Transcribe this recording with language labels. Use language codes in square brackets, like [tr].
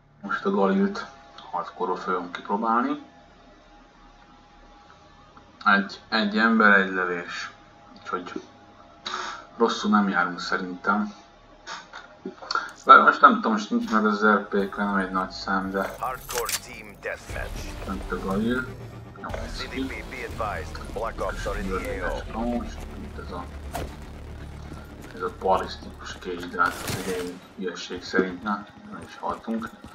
[hu] ezt a galilt hardcore-ról fogom kipróbálni. Egy ember, egy lövés. Úgyhogy rosszul nem járunk szerintem. Vagy most nem tudom, most nincs meg az RPK, nem egy nagy szám, de... Hardcore team deathmatch. Ment a galil. [en] CDP be advised, Black Ops are in the AO. [hu] Ez a balisztikus kézidrát, az egy ügyesség szerint, na, nem is haltunk.